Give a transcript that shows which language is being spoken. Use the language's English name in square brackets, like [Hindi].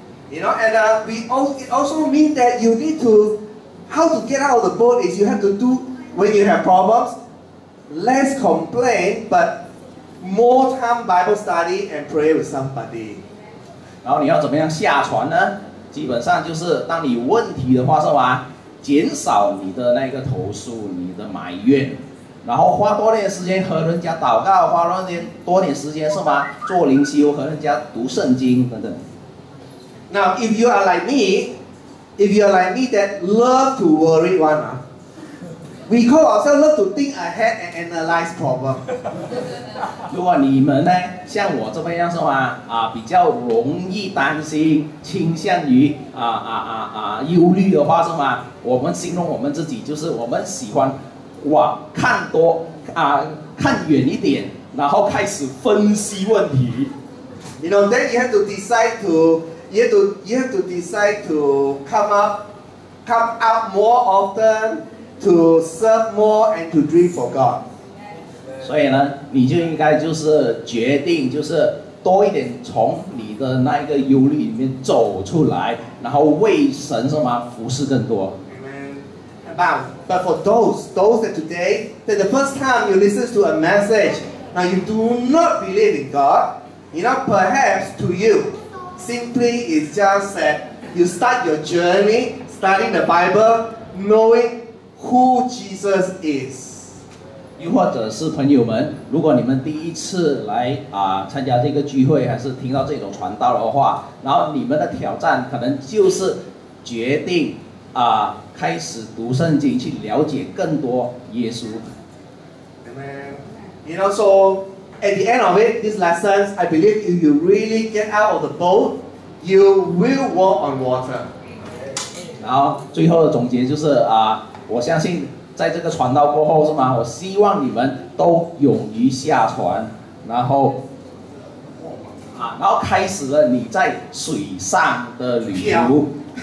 [English] You know, and we also mean that you need to, how to get out of the boat is you have to do, when you have problems, less complain, but more time Bible study and pray with somebody. [Chinese] 然后你要怎么样下船呢？基本上就是当你有问题的话是吧，减少你的那个投诉，你的埋怨，然后花多点时间和人家祷告，花多点时间是吧，做灵修，和人家读圣经等等。 [English] Now, if you are like me, that love to worry one, we call ourselves love to think ahead and analyze problem. [Chinese] 如果你们呢，像我这边样是吧，比较容易担心，倾向于忧虑的话是吗？我们形容我们自己就是我们喜欢看多看远一点，然后开始分析问题。 [English] You know, then you have to decide to. You have to decide to come out more often, to serve more, and to dream for God. [Chinese] 所以呢，你就应该就是决定，就是多一点从你的那个忧虑里面走出来，然后为神什么服侍更多。 [English] Amen. But for those that today, that the first time you listen to a message, now you do not believe in God, you know, perhaps to you. Simply is just that you start your journey studying the Bible, knowing who Jesus is. [Chinese] 又或者是朋友们，如果你们第一次来参加这个聚会，还是听到这种传道的话，然后你们的挑战可能就是决定开始读圣经，去了解更多耶稣。 [English] Amen. You know so. At the end of it, this lesson, I believe if you really get out of the boat, you will walk on water. [Chinese] 然后最后的总结就是我相信在这个传道过后是吗？我希望你们都勇于下船，然后开始了你在水上的旅途。